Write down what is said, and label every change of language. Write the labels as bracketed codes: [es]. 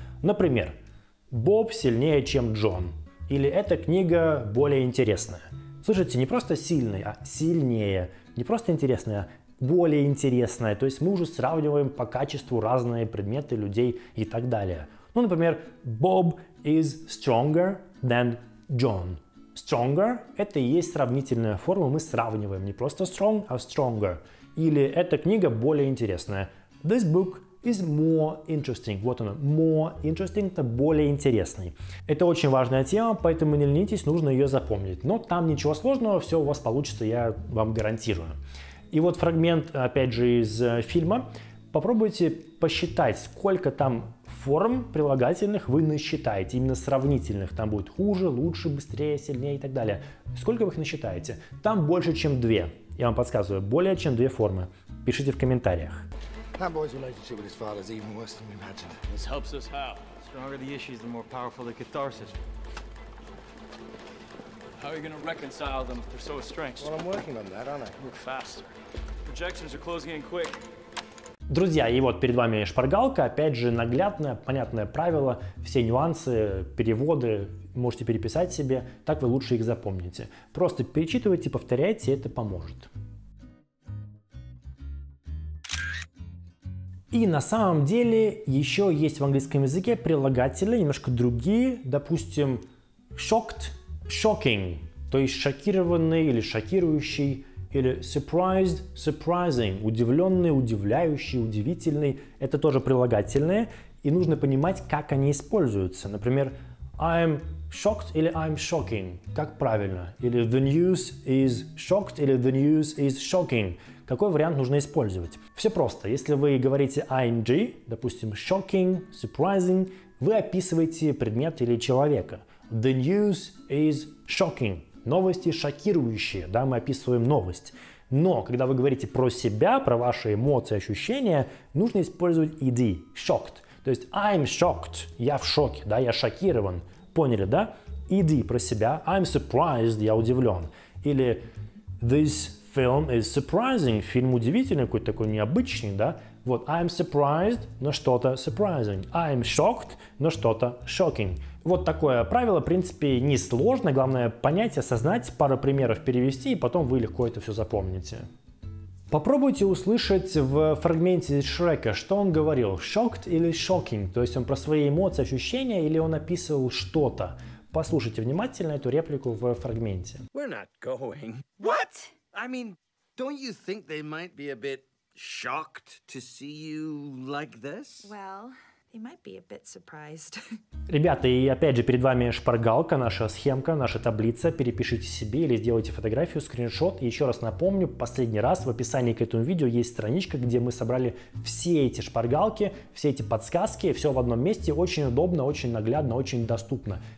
[ru] Например, Боб сильнее, чем Джон. Или эта книга более интересная. Слышите, не просто сильный, а сильнее. Не просто интересная, а более интересная. То есть мы уже сравниваем по качеству разные предметы, людей и так далее. Ну, например, [en] Bob is stronger than John. [ru] Stronger – это и есть сравнительная форма. Мы сравниваем не просто strong, а stronger. Или эта книга более интересная. [en] This book is more interesting. [ru] Вот она, [en] more interesting [ru] – это более интересный. Это очень важная тема, поэтому не ленитесь, нужно ее запомнить. Но там ничего сложного, все у вас получится, я вам гарантирую. И вот фрагмент, опять же, из фильма. Попробуйте посчитать, сколько там форм прилагательных вы насчитаете, именно сравнительных. Там будет хуже, лучше, быстрее, сильнее и так далее. Сколько вы их насчитаете? Там больше, чем две. Я вам подсказываю, более чем две формы. Пишите в комментариях. [en] How are you going to reconcile them if they're so estranged? Well, I'm working on that, aren't I? Look faster. Projections are closing in quick. [ru] Друзья, и вот перед вами шпаргалка, опять же, наглядное, понятное правило, все нюансы, переводы, можете переписать себе, так вы лучше их запомните. Просто перечитывайте, повторяйте, это поможет. И на самом деле, еще есть в английском языке прилагательные, немножко другие, допустим, shocked, shocking, то есть шокированный или шокирующий, или surprised, surprising, удивленный, удивляющий, удивительный. Это тоже прилагательные, и нужно понимать, как они используются. Например, [en] I'm shocked или I'm shocking. [ru] Как правильно? [en] Или the news is shocked или the news is shocking. [ru] Какой вариант нужно использовать? Все просто. Если вы говорите ing, допустим, shocking, surprising, вы описываете предмет или человека. [en] The news is shocking. [ru] Новости шокирующие, да, мы описываем новость. Но, когда вы говорите про себя, про ваши эмоции, ощущения, нужно использовать ed, shocked. То есть, [en] I'm shocked, [ru] я в шоке, да, я шокирован. Поняли, да? Ed про себя, [en] I'm surprised, [ru] я удивлен. Или, [en] this film is surprising, [ru] фильм удивительный, какой-то такой необычный, да. Вот, [en] I'm surprised, [ru] но что-то surprising. [en] I'm shocked, [ru] но что-то [en] shocking. [ru] Вот такое правило, в принципе, не сложно. Главное понять, осознать, пару примеров перевести, и потом вы легко это все запомните. Попробуйте услышать в фрагменте Шрека, что он говорил. [en] Shocked или shocking? [ru] То есть он про свои эмоции, ощущения, или он описывал что-то? Послушайте внимательно эту реплику в фрагменте. [en] We're not going. What? I mean, don't you think they might be a bit shocked to see you like this? Well... He might be a bit surprised. [ru] Ребята, и опять же, перед вами шпаргалка, наша схемка, наша таблица. Перепишите себе или сделайте фотографию, скриншот. И еще раз напомню, последний раз в описании к этому видео есть страничка, где мы собрали все эти шпаргалки, все эти подсказки, все в одном месте, очень удобно, очень наглядно, очень доступно.